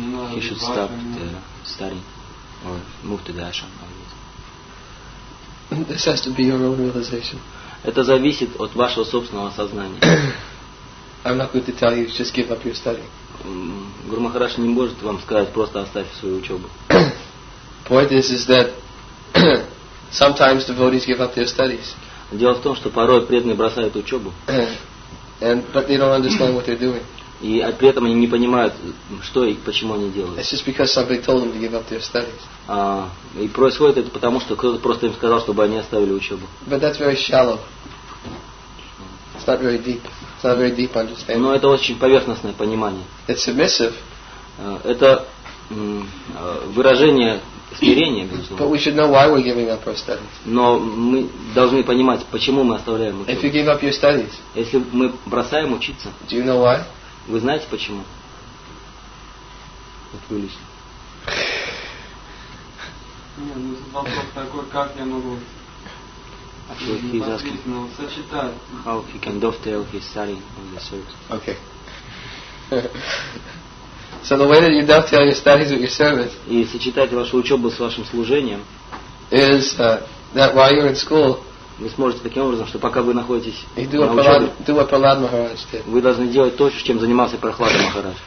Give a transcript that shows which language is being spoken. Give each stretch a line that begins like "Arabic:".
English: He should stop the studying or move to the ashram. This has to be your own realization.
Russian: Это зависит от вашего собственного сознания.
English: I'm not going to tell you just give up your study.
Russian: Гуру Махарадж не может вам сказать просто оставь свою учебу.
English: Point is that sometimes devotees give up their studies.
Russian: Дело в том, что порой преданные бросают учебу.
English: And but they don't understand what they're doing.
Russian: И при этом они не понимают, что и почему они делают.
English: It's just because somebody told them to give up their studies.
Russian: И происходит это потому, что кто-то просто им сказал, чтобы они оставили учебу.
English: But that's very shallow. It's not very deep. It's not very deep understanding.
Russian: Но это очень поверхностное понимание.
English: It's submissive.
Russian: Это выражение смирения, безусловно.
English: But we should know why we're giving up our studies.
Russian: Но мы должны понимать, почему мы оставляем учебу.
English: If you give up your studies,
Russian: если мы бросаем учиться,
English: do you know why?
Russian: Вы знаете почему? Открылись. Нет, ну вопрос такой, как я могу непосредственно сочетать.
English: How he can dovetail his study with the service. Okay. So the way that you dovetail your studies with your service.
Russian: И сочетать вашу учебу с вашим служением.
English: Is that while you're in school.
Russian: Вы сможете таким образом, что пока вы находитесь на учебе,
English: do what Prahlad Maharaj did.
Russian: Вы должны делать то, чем занимался Прохлада Махарадж.